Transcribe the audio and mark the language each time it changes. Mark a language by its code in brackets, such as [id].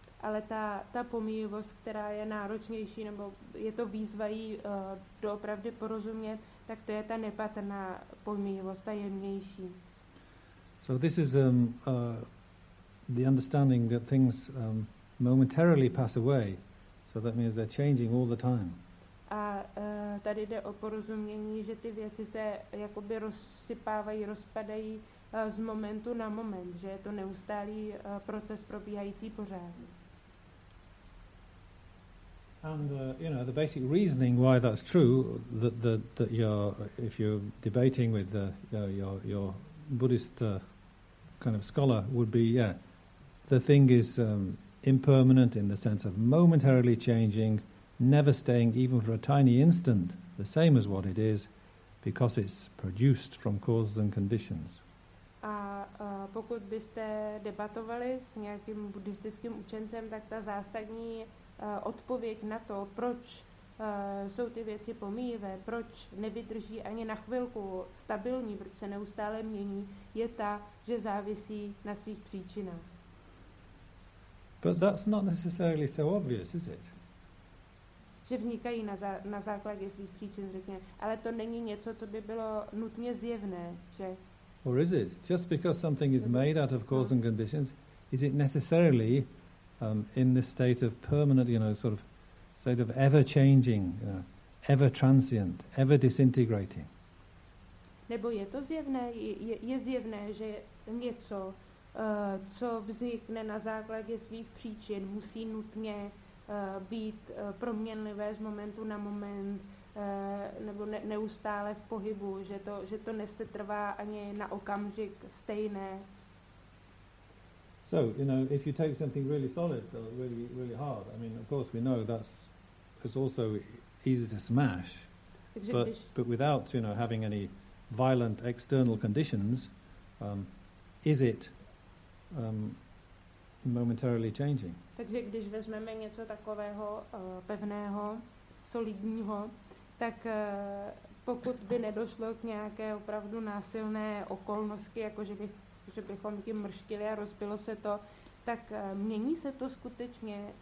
[cs] Ale ta pomíjivost, která je náročnější, nebo je to výzva jí doopravdy porozumět, tak to je ta nepatrná pomíjivost, ta jemnější. [en] So this is the understanding that things momentarily pass away, so that means they're changing all the time. [cs] A tady jde o porozumění, že ty věci se jakoby rozsypávají, rozpadají z momentu na moment, že je to neustálý proces probíhající pořád. [en] And you know, the basic reasoning why that's true, that you're, if you're debating with your Buddhist kind of scholar, would be, yeah, the thing is impermanent in the sense of momentarily changing, never staying even for a tiny instant the same as what it is, because it's produced from causes and conditions. [cs] Pokud byste debatovali s nějakým buddhistickým učencem, tak ta zásadní odpověď na to, proč jsou ty věci pomíjivé, proč nevydrží ani na chvilku stabilní, proč se neustále mění, je ta, že závisí na svých příčinách. [en] But that's not necessarily so obvious, is it? [cs] Že vznikají na základě svých příčin, řekněme. Ale to není něco, co by bylo nutně zjevné, že? [en] Or is it? Just because something is made out of cause and conditions, is it necessarily in this state of permanent, you know, sort of state of ever-changing, you know, ever-transient, ever-disintegrating? [cs] Nebo je to zjevné? Je zjevné, že něco, co vznikne na základě svých příčin, musí nutně být proměnlivé z momentu na moment, nebo neustále v pohybu, že to nesetrvá ani na okamžik stejné. [en] So, you know, if you take something really solid or really really hard, I mean, of course we know that's also easy to smash. [cs] Takže [en] but without, you know, having any violent external conditions, is it momentarily changing? [cs] Takže když vezmeme něco takového pevného, solidního, tak pokud by nedošlo k nějaké opravdu násilné okolnosti, jako že bychom tím mrštili a rozbilo se to, tak mění se to skutečně?